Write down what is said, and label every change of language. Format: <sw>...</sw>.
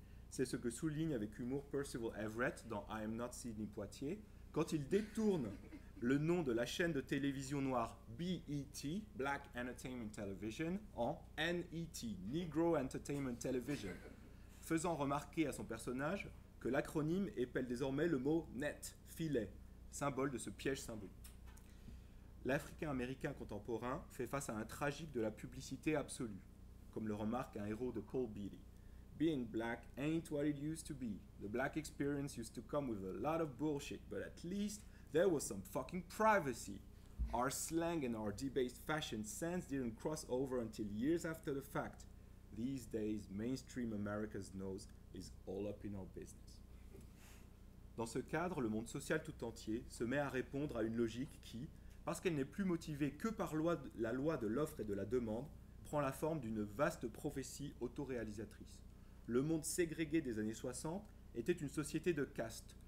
<fr>C'est ce que souligne avec humour Percival Everett dans I Am Not Sidney Poitier, quand il détourne le nom de la chaîne de télévision noire BET, Black Entertainment Television, en NET, Negro Entertainment Television, faisant remarquer à son personnage que l'acronyme épelle désormais le mot NET, filet, symbole de ce piège symbolique. L'Africain-Américain contemporain fait face à un tragique de la publicité absolue, comme le remarque un héros de Paul Beattie.</fr> <en>Being black ain't what it used to be. The black experience used to come with a lot of bullshit, but at least there was some fucking privacy. Our slang and our debased fashion sense didn't cross over until years after the fact. These days, mainstream America's nose is all up in our business.</en> <fr>Dans ce cadre, le monde social tout entier se met à répondre à une logique qui, parce qu'elle n'est plus motivée que par la loi de l'offre et de la demande, prend la forme d'une vaste prophétie autoréalisatrice. Le monde ségrégué des années 60 était une société de caste.</fr>